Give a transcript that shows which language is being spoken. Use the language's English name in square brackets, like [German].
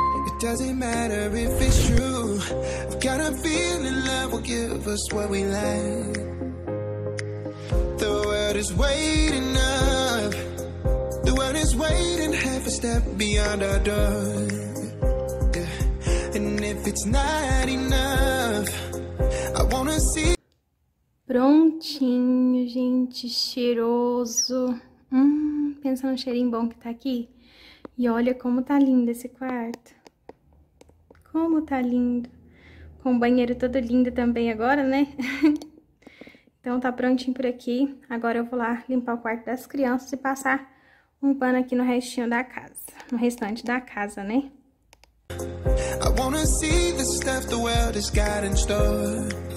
[English] It doesn't matter if it's true. I've got a feeling love will give us what we lack. The world is waiting up. The world is waiting half a step beyond our door. Yeah. And if it's not enough, I wanna see. [Portuguese] Prontinho, gente, cheiroso. Pensa no cheirinho bom que tá aqui. E olha como tá lindo esse quarto. Como tá lindo. Com o banheiro todo lindo também agora, né? Então tá prontinho por aqui. Agora eu vou lá limpar o quarto das crianças e passar um pano aqui no restinho da casa. No restante da casa, né? [English] I wanna see the stuff the world has got in store.